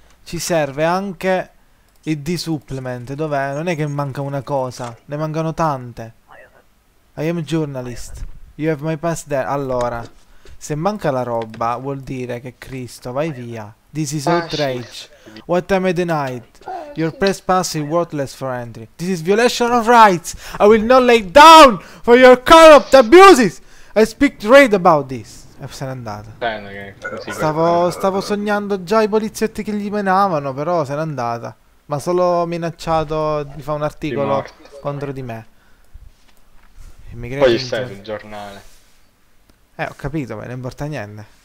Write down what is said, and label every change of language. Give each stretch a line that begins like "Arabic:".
Italian: Ci serve anche il D-Supplement. Dov'è? Non è che manca una cosa. Ne mancano tante.
English: I am a journalist. You have my pass there.
Italian: Allora, se manca la roba, vuol dire che Cristo, vai via.
English: This is outrage. What time is the night? Your press pass is worthless for entry. This is violation of rights. I will not lay down for your corrupt abuses. I speak straight about this.
Italian: E se n'è andata. Stavo sognando già i poliziotti che gli menavano, però se n'è andata. Ma solo minacciato di fare un articolo contro di me. Poi c'è sul giornale. Ho capito, ma non importa niente.